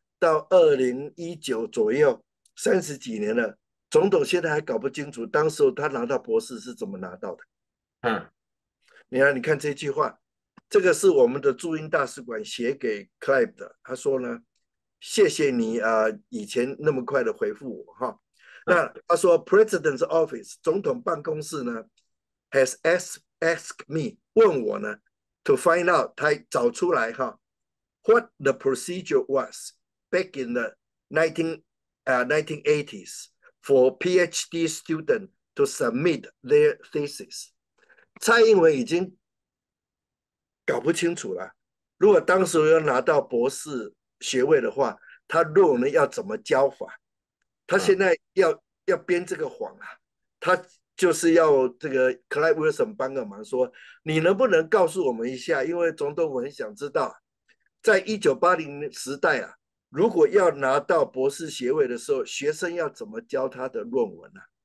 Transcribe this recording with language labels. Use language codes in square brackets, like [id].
[zh] 到2019左右三十几年了，总统现在还搞不清楚当时他拿到博士是怎么拿到的。你看这句话，这个是我们的驻英大使馆写给 Clive 的，他说呢，谢谢你啊、以前那么快的回复我哈。那他说 [en] President's Office [zh] 总统办公室呢 [en] has asked me [zh] 问我呢 [en] to find out [zh] 他找出来哈 [en] what the procedure was back in the 1980s for PhD student to submit their thesis。 [zh] 蔡英文已经搞不清楚了，如果当时要拿到博士学位的话，他论文要怎么交法，他现在 要编这个谎啊，他就是要这个 Clive Wilson 帮个忙说你能不能告诉我们一下，因为总统我很想知道在1980时代啊，如果要拿到博士学位的时候学生要怎么教他的论文啊。